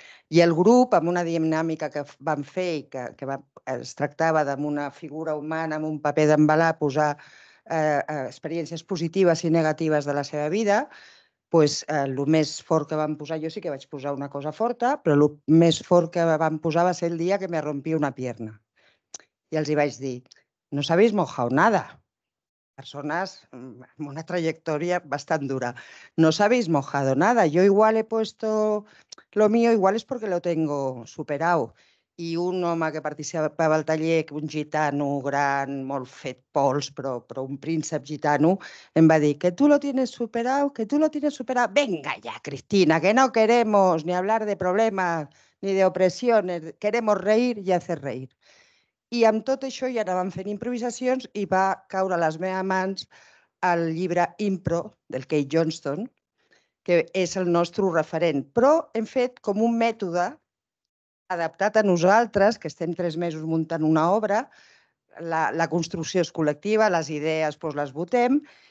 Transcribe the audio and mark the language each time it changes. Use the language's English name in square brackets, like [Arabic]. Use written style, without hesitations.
[Catalan] I el grup, amb una dinàmica que vam fer i que va, es tractava d'una figura humana amb un paper d'embalar, posar experiències positives i negatives de la seva vida, pues, el més fort que vam posar, jo sí que vaig posar una cosa forta, però el més fort que vam posar va ser el dia que [Spanish] me rompí una pierna. [Catalan] I els hi vaig dir, [Spanish] no sabéis mojado nada. [Catalan] Persones amb una trajectòria bastant dura. [Spanish] No sabéis mojado nada. Yo igual he puesto lo mío, igual es porque lo tengo superado. [Catalan] I un home que participava al taller, un gitano gran, molt fet pols, però un príncep gitano, em va dir, [Spanish] que tú lo tienes superado, [Catalan] que tú lo tienes superado. [Spanish] Venga ya, Cristina, que no queremos ni hablar de problemas ni de opresiones, queremos reír y hacer reír. [Catalan] I amb tot això ja anàvem fent improvisacions i va caure a les meves mans el llibre Impro, del Kate Johnston, que és el nostre referent. Però hem fet com un mètode adaptat a nosaltres, que estem 3 mesos muntant una obra, la construcció és col·lectiva, les idees doncs, les votem,